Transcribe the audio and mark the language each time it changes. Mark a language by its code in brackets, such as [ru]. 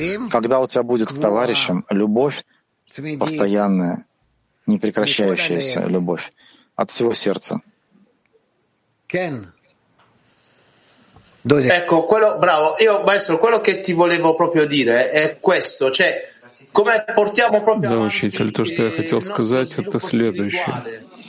[ru] Когда у тебя будет к товарищам любовь постоянная, непрекращающаяся любовь от всего сердца. [it] Дуди. Ecco, quello, bravo. Io, maestro, quello che ti volevo proprio dire è questo, cioè. [ru] Да, учитель, то, что я хотел сказать, это следующее.